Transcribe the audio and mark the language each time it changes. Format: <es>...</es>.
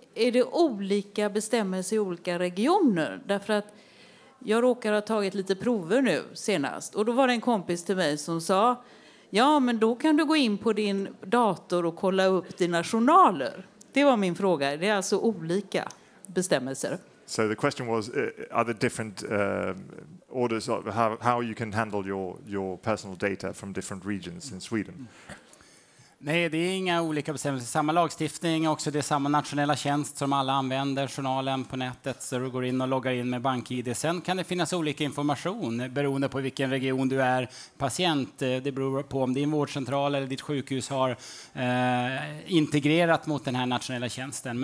<sv>Är det olika bestämmelser i olika regioner? Därför att jag råkar ha tagit lite prover nu senast. Och då var det en kompis till mig som sa. Ja, men då kan du gå in på din dator och kolla upp dina journaler. Det var min fråga. Det är alltså olika bestämmelser.</sv> <en>So the question was, are there different orders of how you can handle your personal data from different regions in Sweden?</en> <sv>Nej, det är inga olika bestämmelser. Samma lagstiftning, också det är samma nationella tjänst som alla använder, journalen på nätet, så du går in och loggar in med BankID. Sen kan det finnas olika information beroende på vilken region du är patient. Det beror på om din vårdcentral eller ditt sjukhus har integrerat mot den här nationella tjänsten.</sv>